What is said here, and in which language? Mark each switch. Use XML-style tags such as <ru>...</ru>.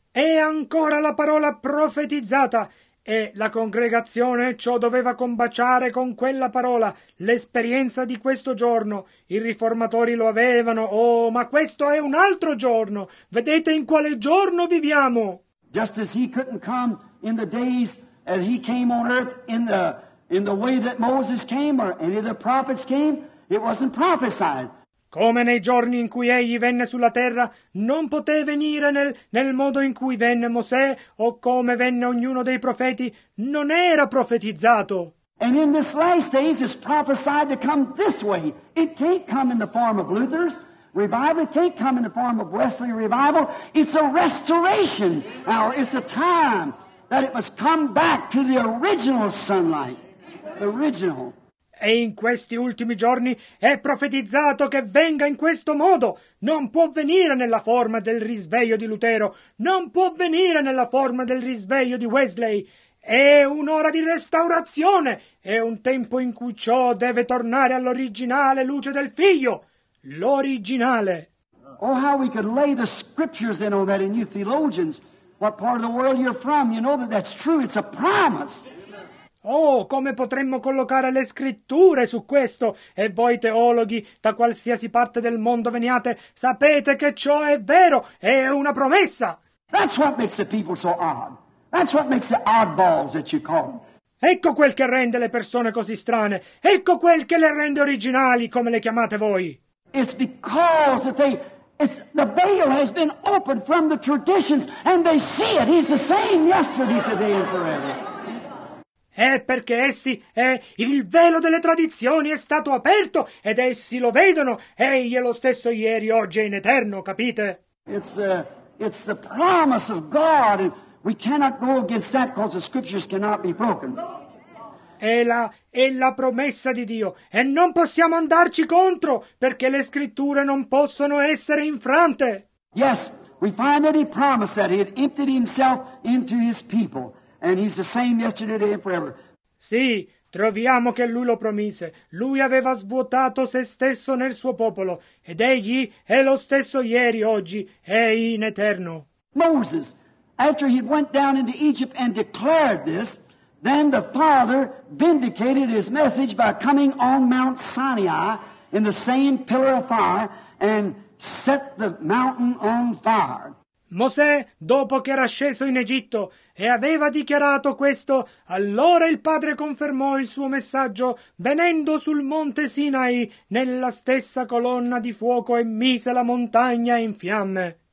<it>È ancora la parola profetizzata. E la congregazione ciò doveva combaciare con quella parola, l'esperienza di questo giorno. I riformatori lo avevano. Oh, ma questo è un altro giorno. Vedete in quale giorno viviamo.</it> <en>Just as he couldn't come in the days as he came on earth in the way that Moses came or any of the prophets came, it wasn't prophesied.</en> <it>Come nei giorni in cui egli venne sulla terra, non poté venire nel modo in cui venne Mosè o come venne ognuno dei profeti, non era profetizzato.</it> <en>And in this last days it's prophesied to come this way. It can't come in the form of Luther's revival. It can't come in the form of Wesley revival. It's a restoration. Now it's a time that it must come back to the original sunlight. The original.</en> <it>E in questi ultimi giorni è profetizzato che venga in questo modo. Non può venire nella forma del risveglio di Lutero. Non può venire nella forma del risveglio di Wesley. È un'ora di restaurazione. È un tempo in cui ciò deve tornare all'originale luce del Figlio. L'originale.</it> <en>Oh, how we could lay the scriptures in all that in you theologians. What part of the world you're from, you know that that's true. It's a promise.</en> <it>Oh, come potremmo collocare le scritture su questo? E voi teologhi, da qualsiasi parte del mondo veniate, sapete che ciò è vero, è una promessa.</it> <en>That's what makes the people so odd. That's what makes the oddballs that you call them.</en> <it>Ecco quel che rende le persone così strane. Ecco quel che le rende originali, come le chiamate voi.</it> <en>It's because that the veil has been opened from the traditions and they see it. He's the same yesterday, today and forever.</en> <it>È perché essi, il velo delle tradizioni è stato aperto ed essi lo vedono. Egli è lo stesso ieri, oggi e in eterno, capite?</it> <en>It's the promise of God. We cannot go against that because the scriptures cannot be broken.</en> <it>È la promessa di Dio. E non possiamo andarci contro perché le scritture non possono essere infrante.</it> <en>Yes, we find that he promised that he had emptied himself into his people. And he's the same yesterday, today, and forever.</en> <it>Sì, troviamo che lui lo promise. Lui aveva svuotato se stesso nel suo popolo. Ed egli è lo stesso ieri, oggi, e in eterno.</it> <en>Moses, after he went down into Egypt and declared this, then the Father vindicated his message by coming on Mount Sinai in the same pillar of fire and set the mountain on fire.</en> <it>Mosè, dopo che era sceso in Egitto e aveva dichiarato questo, allora il Padre confermò il suo messaggio venendo sul monte Sinai nella stessa colonna di fuoco e mise la montagna in fiamme.</it>